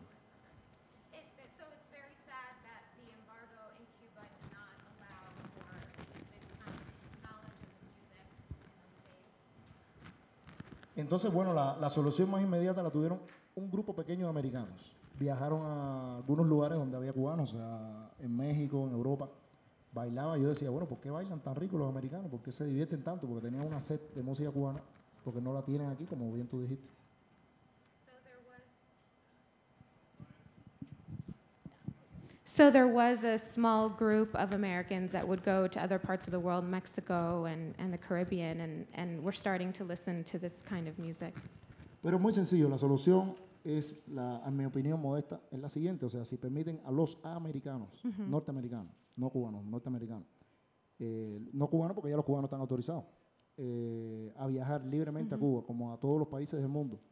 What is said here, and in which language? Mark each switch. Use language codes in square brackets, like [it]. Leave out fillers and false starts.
[en] So it's very sad that the embargo in Cuba did not allow for this kind of knowledge of the music in those days. [es] Entonces, bueno, la solución más inmediata la tuvieron un grupo pequeño de americanos. Viajaron a algunos lugares donde había cubanos, o sea, en México, en Europa. Bailaba, yo decía, bueno, ¿por qué bailan tan rico los americanos? ¿Por qué se divierten tanto? Porque tenían una sed de música cubana, porque no la tienen aquí, como bien tú dijiste. [en] So there was a small group of Americans that would go to other parts of the world, Mexico and the Caribbean, and were starting to listen to this kind of music. [es] Pero muy sencillo, la solución es, la, a mi opinión modesta, es la siguiente, o sea, si permiten a los americanos, mm-hmm. norteamericanos, no cubanos, norteamericanos. No cubanos porque ya los cubanos están autorizados a viajar libremente mm-hmm. a Cuba, como a todos los países del mundo.